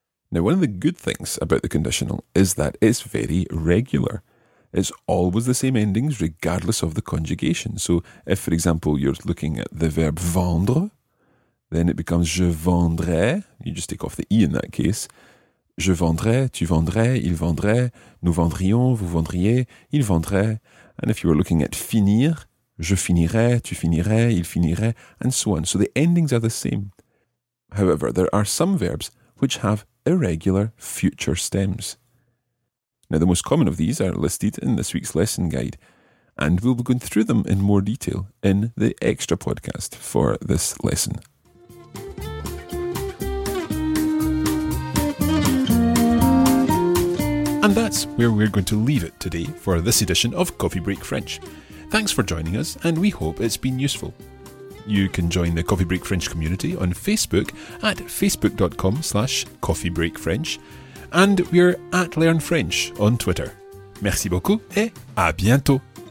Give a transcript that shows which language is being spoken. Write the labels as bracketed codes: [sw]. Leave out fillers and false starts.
[en] Now, one of the good things about the conditional is that it's very regular. It's always the same endings, regardless of the conjugation. So if, for example, you're looking at the verb vendre, then it becomes [fr] je vendrai. [en] You just take off the E in that case. [fr] Je vendrai, tu vendrais, il vendrait, nous vendrions, vous vendriez, il vendrait. [en] And if you were looking at finir, [fr] je finirai, tu finirais, il finirait, [en] and so on. So the endings are the same. However, there are some verbs which have irregular future stems. Now, the most common of these are listed in this week's lesson guide. And we'll be going through them in more detail in the extra podcast for this lesson. And that's where we're going to leave it today for this edition of Coffee Break French. Thanks for joining us, and we hope it's been useful. You can join the Coffee Break French community on Facebook at facebook.com/coffeebreakfrench, and we're at Learn French on Twitter. [fr] Merci beaucoup et à bientôt.